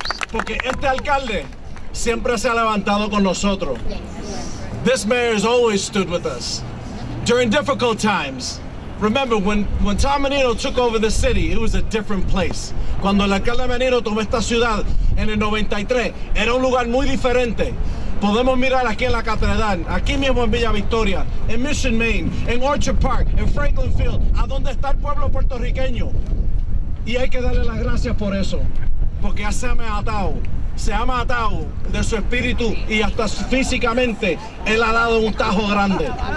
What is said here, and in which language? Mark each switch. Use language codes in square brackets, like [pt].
[es] Porque este alcalde siempre se ha levantado con nosotros. [en] This mayor has always stood with us during difficult times. Remember, when Tom Menino took over the city, it was a different place. [es] Cuando el alcalde Menino tomó esta ciudad en el 93, era un lugar muy diferente. Podemos mirar aquí en la catedral, aquí mismo en Villa Victoria, en Mission Maine, en Orchard Park, en Franklin Field, a donde está el pueblo puertorriqueño. Y hay que darle las gracias por eso, porque ya se ha matado de su espíritu y hasta físicamente, él ha dado un tajo grande.